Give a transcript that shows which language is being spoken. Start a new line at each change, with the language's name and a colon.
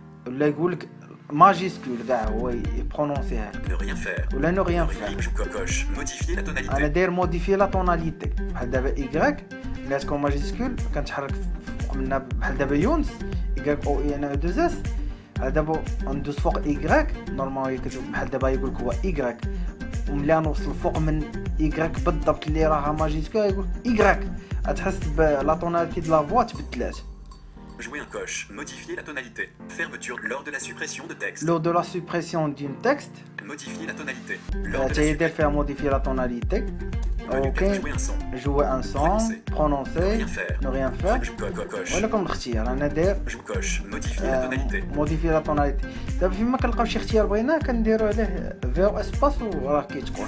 Arabic: ولا يقولك ماجيسكول دا هو يبرونسيها ولا
French: نو ريان فير
Arabic: انا داير
French: موديفي لا توناليتي
Arabic: بحال دابا ايغراك ملي تكون ماجيسكول كنتحرك فوق منها بحال دابا يونس ايغراك او ان او دو زاس دابا ندوز فوق ايغراك نورمال يكتب بحال دابا يقولك هو ايغراك وملي نوصل فوق من ايغراك بالضبط اللي راها ماجيسكول يقولك ايغراك تحس بلا توناليتي د لا فوا تبدلات
French: jouer un coche modifier la tonalité fermeture lors de la suppression de texte lors de la suppression d'un texte modifier la tonalité lors de faire modifier la tonalité OK jouer un son prononcer ne rien faire voilà comme choix on a dit jouer coche modifier la tonalité modifier la tonalité
Arabic: دابا فين ما كنلقاو شي اختيار بغينا كنديروا عليه فيو اسباس وراه كيتكون